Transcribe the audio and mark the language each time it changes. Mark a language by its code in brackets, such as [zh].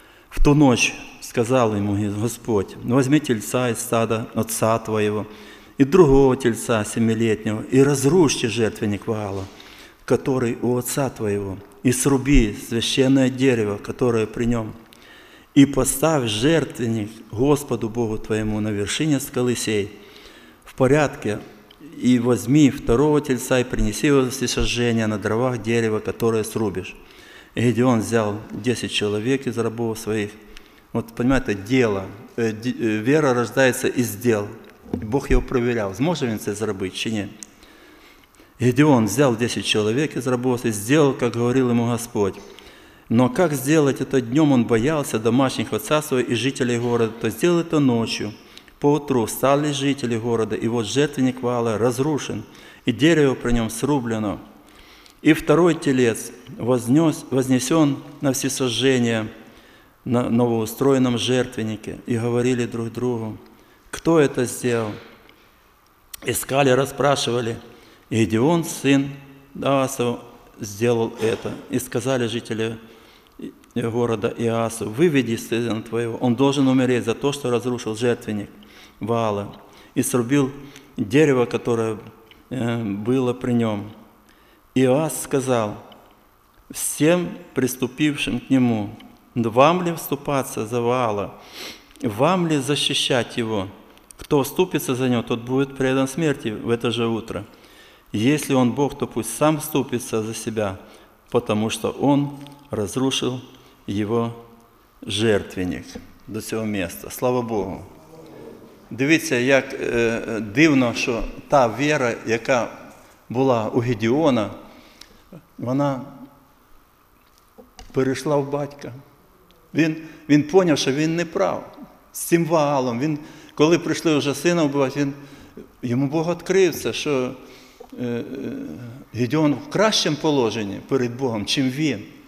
[uk] В ту ніч сказав йому Господь, возьми тільця із стада отця твоєго, і другого тільця семилетнього, і розруште жертвенник Ваала, який у отця твоєго, і сруби священне дерево, яке при ньому, і постав жертвенник Господу Богу твоєму на вершині скали сей, в порядке, і возьми второго тельца і принеси його всесожжение на дровах дерева, [ru] которое срубиш. И Гедеон взял 10 человек из рабов своих. Вот, понимаете, дело. Вера рождается из дел. Бог его проверял, сможет он это сделать, или нет. Гедеон взял 10 человек из рабов и сделал, как говорил ему Господь. Но как сделать это днем, он боялся домашних отца своего и жителей города, то сделал это ночью. [uk] Поутру встали жителі города, і от жертвенник Ваала розрушен, і дерево при ньому срублено. І второй телець вознесен на всесожжение на новоустроєному жертвеннике. І говорили друг другу, хто це зробив? Іскали, розпрашували. Гедеон, син Аасов, зробив це. І сказали жителі города Аасу, [ru] виведи сына твоего, он должен умереть за то, що розрушив жертвенник Ваала, и срубил дерево, которое было при нем. И Иоас сказал всем приступившим к нему, вам ли вступаться за Ваала, вам ли защищать его? Кто вступится за него, тот будет предан смерти в это же утро. Если он Бог, то пусть сам вступится за себя, потому что он разрушил его жертвенник. До сего места. Слава Богу! [uk] Дивіться, як дивно, що та віра, яка була у Гедеона, вона перейшла в батька. Він поняв, що він не прав з цим Ваалом. Він, коли прийшли вже сина вбивати, йому Бог відкрився, що Гедеон в кращому положенні перед Богом, чим він.